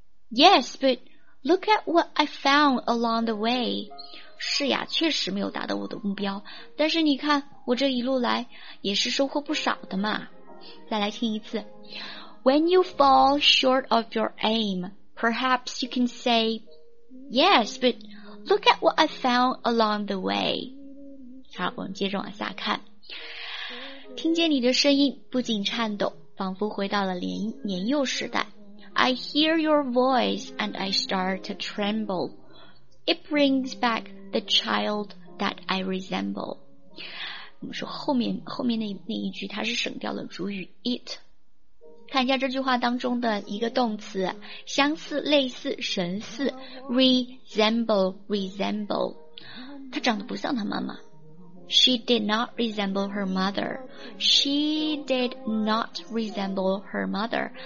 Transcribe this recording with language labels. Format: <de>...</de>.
<en>Yes, but look at what I found along the way。</en> <zh>是呀，确实没有达到我的目标，但是你看我这一路来也是收获不少的嘛。再来听一次。</zh> <en>When you fall short of your aim, perhaps you can say, "Yes, but look at what I found along the way."</en> <zh>好，我们接着往下看。听见你的声音不禁颤抖，仿佛回到了年幼时代。</zh> <en>I hear your voice and I start to tremble. It brings back the child that I resemble.</en> <zh>我们说后面 那一句它是省掉了主语 it。看一下这句话当中的一个动词，相似、类似、神似， resemble， 它长得不像他妈妈。</zh> <en>She did not resemble her mother. She did not resemble her mother.</en>